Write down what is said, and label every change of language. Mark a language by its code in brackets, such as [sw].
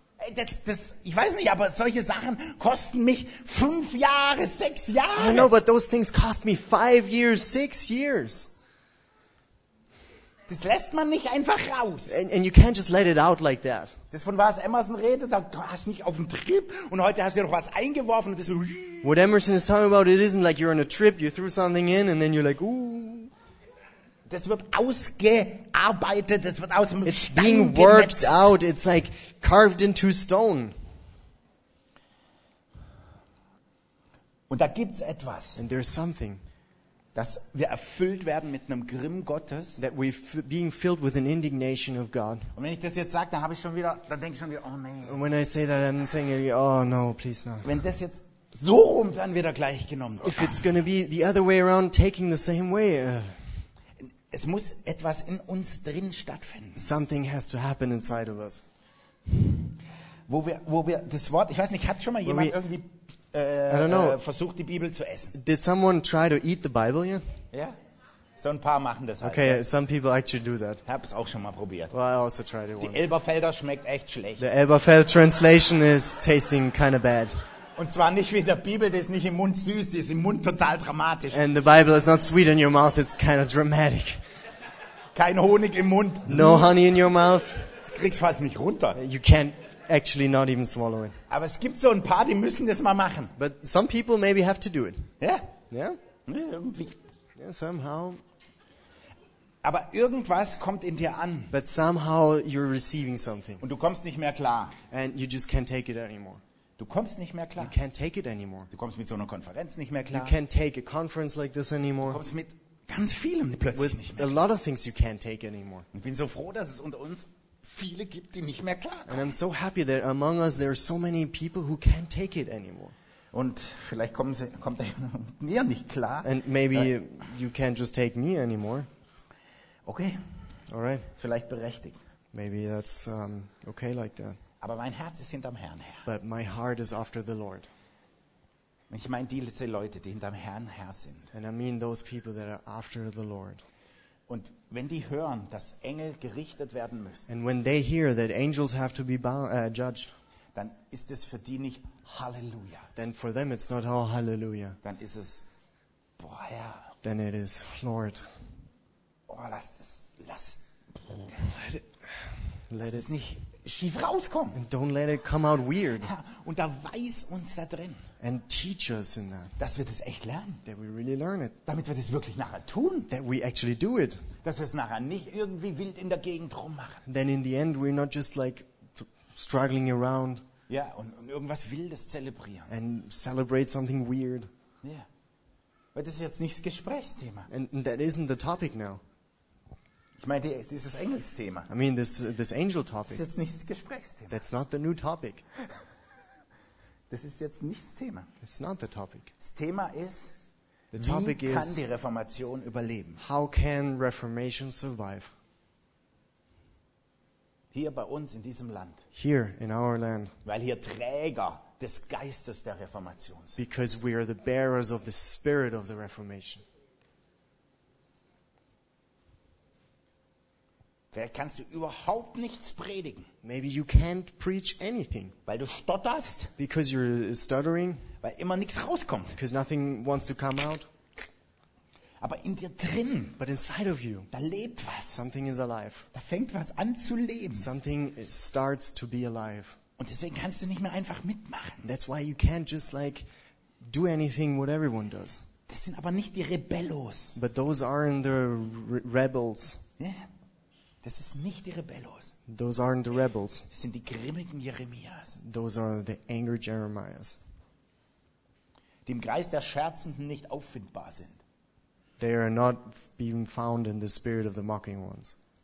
[de] Ey, das, ich weiß nicht, aber solche Sachen kosten mich 5 Jahre, 6 Jahre. [en] I know, but those things cost me 5 years, 6 years. [de] Das lässt man nicht einfach raus. [en] And you can't just let it out like that. [de] Das von was Emerson redet, da hast du nicht auf dem Trip und heute hast du noch was eingeworfen und das. [en] What Emerson is talking about, it isn't like you're on a trip, you threw something in and then you're like, ooh. [de] Das wird ausgearbeitet, das wird aus dem [en] It's [de] Stein [en] being worked [de] genetzt. [en] Out, it's like carved into stone. [de] Und da gibt's etwas. [en] And there's something. [de] Dass wir erfüllt werden mit einem Grimm Gottes. [en] That we're being filled with an indignation of God. [de] Und wenn ich das jetzt sage, dann habe ich schon wieder, dann denke ich schon wieder, oh nein. [en] And when I say that, I'm saying, oh no, please not. [de] Wenn das jetzt so rum, dann wird er gleich genommen. [en] If it's gonna be the other way around, taking the same way. [de] Es muss etwas in uns drin stattfinden. [en] Something has to happen inside of us. [de] Wo wir das Wort, ich weiß nicht, hat schon mal jemand irgendwie versucht, die Bibel zu essen? [en] Did someone try to eat the Bible yet? [de] Ja. So ein paar machen das halt. [en] Okay, some people actually do that. [de] Ich habe es auch schon mal probiert. [en] Well, I also tried it once. [de] Die Elberfelder schmeckt echt schlecht. [en] The Elberfeld translation is tasting kind of bad. [de] Und zwar nicht wie in der Bibel, die ist nicht im Mund süß, die ist im Mund total dramatisch. [en] And the Bible is not sweet in your mouth, it's kind of dramatic. [de] Kein Honig im Mund. [en] No honey in your mouth. [de] Du kriegst fast nicht runter. [en] You can't actually not even swallow it. [de] Aber es gibt so ein paar, die müssen das mal machen. [en] But some people maybe have to do it. [de] Ja? Ja? Ja, irgendwie. [en] Yeah, somehow. [de] Aber irgendwas kommt in dir an. [en] But somehow you're receiving something. [de] Und du kommst nicht mehr klar. [en] And you just can't take it anymore. [de] Du kommst nicht mehr klar. [en] You can't take it anymore. [de] Du kommst mit so einer Konferenz nicht mehr klar. [en] You can't take a conference like this anymore. [de] Du kommst mit ganz vielem plötzlich [en] with [de] nicht mehr. [en] A lot of things you can't take anymore. [de] Ich bin so froh, dass es unter uns viele gibt, die nicht mehr klar kommen. [en] And I'm so happy that among us there are so many people who can't take it anymore. [de] Und vielleicht kommt er mit mir nicht klar. [en] And maybe you can't just take me anymore. [de] Okay. [en] All right. [de] Ist vielleicht berechtigt. [en] Maybe that's okay like that. [de] Aber mein Herz ist hinterm Herrn her. [en] But my heart is after the Lord. [de] Ich meine diese Leute, die hinterm Herrn her sind. [en] And I mean those people that are after the Lord. [de] Und wenn die hören, dass Engel gerichtet werden müssen. [en] And when they hear that angels have to be judged. [de] Dann ist es für die nicht Halleluja. [en] Then for them it's not all Hallelujah. [de] Dann ist es, boah Herr. [en] Then it is Lord. [de] Oh, lass. Let es nicht schief rauskommen. [en] And don't let it come out weird. [de] Ja, und da weiß uns da drin. [en] And teach us in that. [de] Dass wir das echt lernen. [en] That we really learn it. [de] Damit wir das wirklich nachher tun. [en] That we actually do it. [de] Dass wir es nachher nicht irgendwie wild in der Gegend rummachen. [en] Then in the end we're not just like struggling around. [de] Ja, und irgendwas Wildes zelebrieren. [en] And celebrate something weird. [de] Ja. Weil das ist jetzt nicht das Gesprächsthema. [en] And that isn't the topic now. [de] Ich meine, dieses Engelsthema. [en] I mean, this angel topic. [de] Das ist jetzt nicht das Gesprächsthema. [en] That's not the new topic. [de] Das ist jetzt nicht das Thema. [en] It's not the topic. [de] Das Thema ist, [en] the topic [de] wie kann [en] is, [de] die Reformation überleben? [en] How can Reformation survive? [de] Hier bei uns in diesem Land. [en] Here in our land. [de] Weil hier Träger des Geistes der Reformation sind. [en] Because we are the bearers of the spirit of the Reformation. [de] Vielleicht kannst du überhaupt nichts predigen. [en] Maybe you can't preach anything. [de] Weil du stotterst. [en] Because you're stuttering. [de] Weil immer nichts rauskommt. [en] Because nothing wants to come out. [de] Aber in dir drin, [en] but inside of you, [de] da lebt was. [en] Something is alive. [de] Da fängt was an zu leben. [en] Something starts to be alive. [de] Und deswegen kannst du nicht mehr einfach mitmachen. [en] That's why you can't just like do anything what everyone does. [de] Das sind aber nicht die Rebellos. [en] But those aren't the rebels. [de] Yeah. Das ist nicht die Rebellos. [en] Those aren't the rebels. [de] Das sind die grimmigen Jeremias. [en] Those are the angry Jeremiahs. [de] Die im Kreis der Scherzenden nicht auffindbar sind. [en] They are not being found in the spirit of the mocking ones.